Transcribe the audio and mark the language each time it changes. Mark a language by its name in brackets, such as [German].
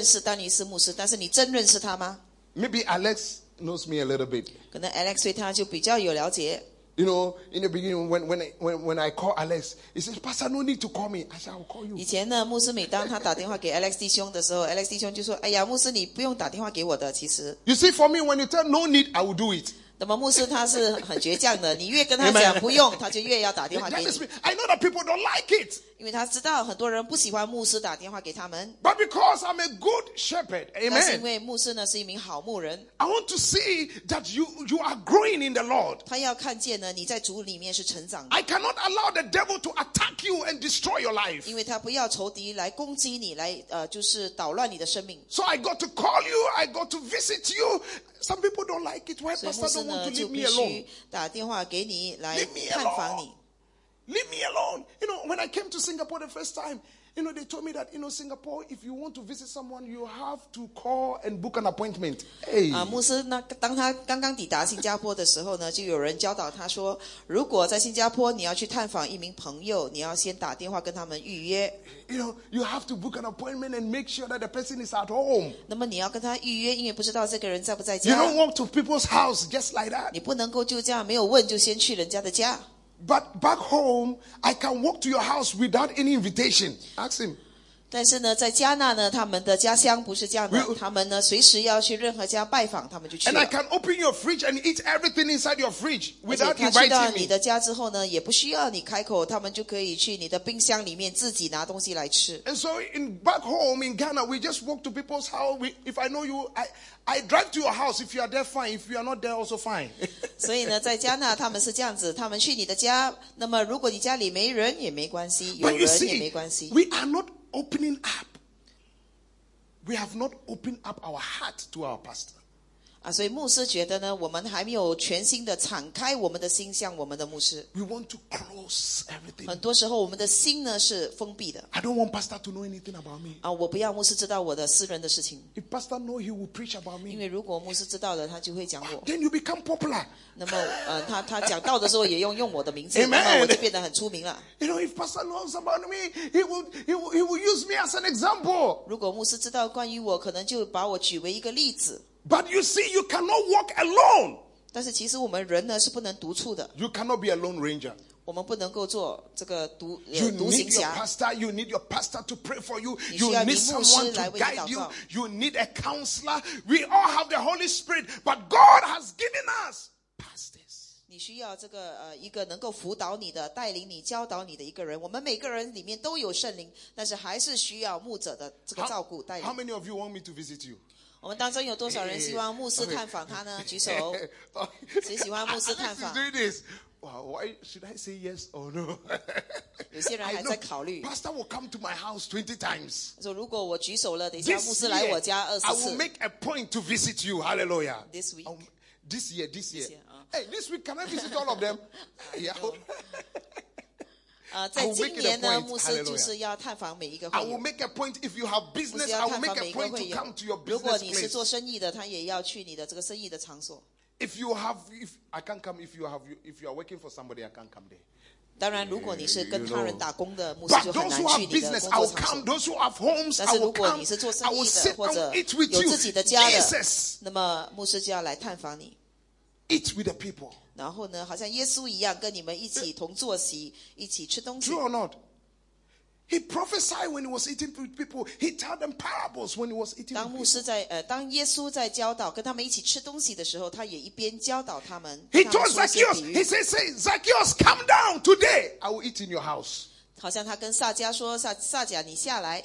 [Chinese] 可能有一些人你会说，哎呀，其实我认识丹尼斯牧师，但是你真认识他吗？ [English] Maybe Alex knows me a little bit. [Chinese] 可能 Alex 对他就比较有了解。 [English] You know, in the beginning, when I call Alex, he says, Pastor, no need to call me. I said, I'll call you. [Chinese] 以前呢，牧师每当他打电话给 Alex 弟兄的时候， Alex 弟兄就说，哎呀，牧师你不用打电话给我的，其实。 [English] You see, for me, when you tell no need, I will do it. [Chinese] 那么牧师他是很倔强的，你越跟他讲不用，他就越要打电话给你。 [English] I know that people don't like it. [Chinese] 因为他知道很多人不喜欢牧师打电话给他们。 [English] But because I'm a good shepherd, amen. [Chinese] 但是因为牧师呢是一名好牧人。 [English] I want to see that you are growing in the Lord. [Chinese] 他要看见呢你在主里面是成长的。 [English] I cannot allow the devil to attack you and destroy your life. [Chinese] 因为他不要仇敌来攻击你，来就是捣乱你的生命。 [English] So I got to call you, I got to visit you. Some people don't like it. Why pastor don't want to leave me alone? [Chinese] 打电话给你来探访你。 [English] Leave me alone. You know, when I came to Singapore the first time, you know, they told me that, you know, Singapore, if you want to visit someone, you have to call and book an appointment. Hey. [Chinese] 牧师，那当他刚刚抵达新加坡的时候呢，就有人教导他说，如果在新加坡你要去探访一名朋友，你要先打电话跟他们预约。 [English] You know, you have to book an appointment and make sure that the person is at home. [Chinese] 那么你要跟他预约，因为不知道这个人在不在家。 [English] You don't walk to people's house just like that. [Chinese] 你不能够就这样没有问就先去人家的家。 [English] But back home, I can walk to your house without any invitation. Ask him. [Chinese] 但是呢，在加纳呢，他们的家乡不是这样的。他们呢，随时要去任何家拜访，他们就去了。 [English] And I can open your fridge and eat everything inside your fridge without inviting me. [Chinese] 而且他去到你的家之后呢，也不需要你开口，他们就可以去你的冰箱里面自己拿东西来吃。 [English] And so in back home in Ghana, we just walk to people's house. If I know you, I drive to your house. If you are there, fine. If you are not there, also fine. [Chinese] 所以呢，在加纳他们是这样子，他们去你的家。那么如果你家里没人也没关系，有人也没关系。 [English] But you see, we are not. Opening up, we have not opened up our heart to our pastor. [Chinese] 啊，所以牧师觉得呢，我们还没有全心的敞开我们的心向我们的牧师。 [English] We want to close everything. [Chinese] 很多时候我们的心呢是封闭的。 [English] I don't want pastor to know anything about me. [Chinese] 啊，我不要牧师知道我的私人的事情。 [English] If pastor know, he will preach about me. [Chinese] 因为如果牧师知道了，他就会讲我。 [English] Then you become popular. [Chinese] 那么，他讲道的时候也用我的名字，那么我就变得很出名了。 [English] You know, if pastor knows about me, he will use me as an example. [Chinese] 如果牧师知道关于我，可能就把我举为一个例子。 [English] But you see, you cannot walk alone. [Chinese] 但是其实我们人呢是不能独处的。 [English] You cannot be a lone ranger. [Chinese] 我们不能够做这个独行侠。 [English] You need your pastor. You need your pastor to pray for you. You need someone to guide you. You need a counselor. We all have the Holy Spirit, but God has given us pastors. [Chinese] 你需要这个一个能够辅导你的、带领你、教导你的一个人。我们每个人里面都有圣灵，但是还是需要牧者的这个照顾、带领。 [English] How many of you want me to visit you? [Chinese] 我们当中有多少人希望牧师探访他呢？举手。谁喜欢牧师探访？ [English] Why should I say yes or no? [Chinese] 有些人还在考虑。 [English] Pastor will come to my house 20 times. [Chinese] 说如果我举手了，等一下牧师来我家20次。 [English] I will make a point to visit you. Hallelujah. This week. This year. Hey, this week can I visit all of them? Yeah. [Chinese] 在今年呢，牧师就是要探访每一个会员。 [English] I will make a point if you have business. I will make a point to come to your business. [Chinese] 如果你是做生意的，他也要去你的这个生意的场所。 [English] If you are working for somebody, I can't come there. [Chinese] 当然，如果你是跟他人打工的牧师，就很难去你的工作场所。 [English] But those who have business, I will come. Those who have homes, I will come. [Chinese] 但是如果你是做生意的，或者有自己的家的，那么牧师就要来探访你。 [English] Eat with the people. [Chinese] 然后呢，好像耶稣一样，跟你们一起同坐席，一起吃东西。 [English] True or not? He prophesied when he was eating with people. He told them parables when he was eating with people. [Chinese] 当牧师在当耶稣在教导跟他们一起吃东西的时候，他也一边教导他们。 [English] He told Zacchaeus, he said, "Say, Zacchaeus, come down today. I will eat in your house." [Chinese] 好像他跟撒迦说，撒迦，你下来。